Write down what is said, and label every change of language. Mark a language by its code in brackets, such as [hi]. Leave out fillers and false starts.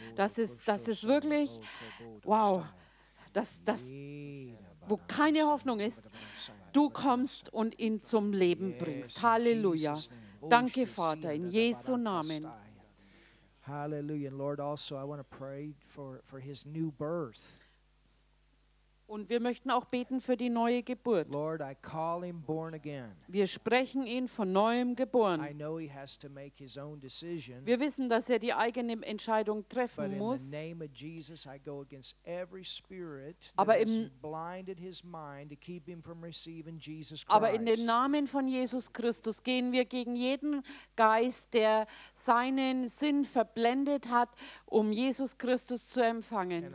[de] Dass es wirklich, wow, dass wo keine Hoffnung ist, du kommst und ihn zum Leben bringst. Halleluja. Danke, Vater, in Jesu Namen. [en] Halleluja. Lord, also I want to pray for his new birth. [de] Und wir möchten auch beten für die neue Geburt. [en] Lord, I call him born again. [de] Wir sprechen ihn von neuem geboren. [en] I know he has to make his own decision. [de] Wir wissen, dass er die eigene Entscheidung treffen muss. [en] But in the name of Jesus, I go against every spirit [de] aber [en] that [de] im, [en] has blinded his mind to keep him from receiving Jesus Christ. [de] Aber in dem Namen von Jesus Christus gehen wir gegen jeden Geist, der seinen Sinn verblendet hat, um Jesus Christus zu empfangen.